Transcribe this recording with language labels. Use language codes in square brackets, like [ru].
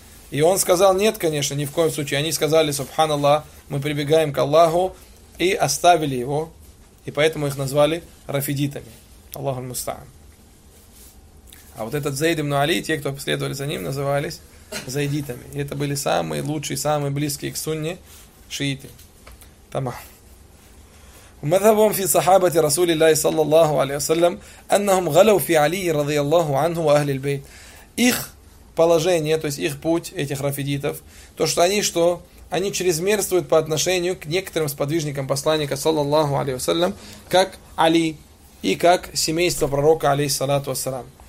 [ru] И он сказал, нет, конечно, ни в коем случае. Они сказали, субханаллах, мы прибегаем к Аллаху и оставили его. И поэтому их назвали рафидитами. Аллаху аль-Муста'ан. А вот этот Зайд ибн Али, те, кто последовали за ним, назывались зайдитами. И это были самые лучшие, самые близкие к сунне шииты. Тамах. [ar] ومذهبهم في صحابة رسول الله صلى الله عليه وسلم أنهم غلوا في علي رضي الله عنه وأهل البيت. [ru] Их положение, то есть их путь этих рафидитов, то что они что, они чрезмерствуют по отношению к некоторым сподвижникам Посланника [ar] صلى الله عليه وسلم, [ru] как Али и как семейство Пророка [ar] عليه الصلاة والسلام.